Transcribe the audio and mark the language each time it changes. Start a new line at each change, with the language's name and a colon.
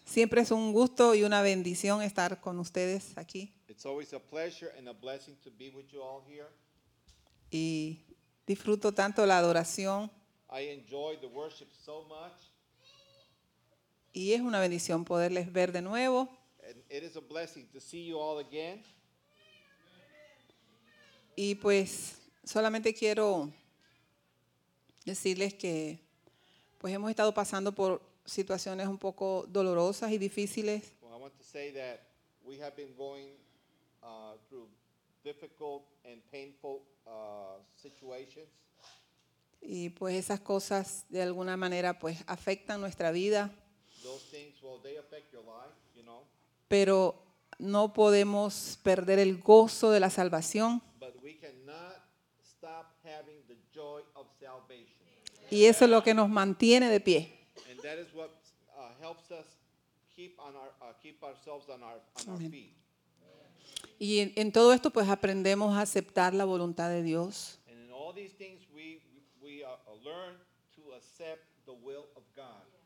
Spanish: siempre es un gusto y una bendición estar con ustedes aquí.
English: It's always a pleasure and a blessing to be with you all here.
Spanish: Y disfruto tanto la adoración.
English: I enjoy the worship so much.
Spanish: Y es una bendición poderles ver de nuevo.
English: And it is a blessing to see you all again.
Spanish: Y pues solamente quiero decirles que pues hemos estado pasando por situaciones un poco dolorosas y difíciles.
English: Well, I want to say that we have been going through difficult and painful situations.
Spanish: Y pues esas cosas de alguna manera pues afectan nuestra vida.
English: Those things, well, they affect your life, you know.
Spanish: Pero no podemos perder el gozo de la salvación.
English: But we cannot stop having the joy of salvation.
Spanish: Y eso es lo que nos mantiene de pie.
English: And that is what helps us keep ourselves on our feet.
Spanish: Y en todo esto pues aprendemos a aceptar la voluntad de Dios.
English: And in all these things we learn to accept the will of God.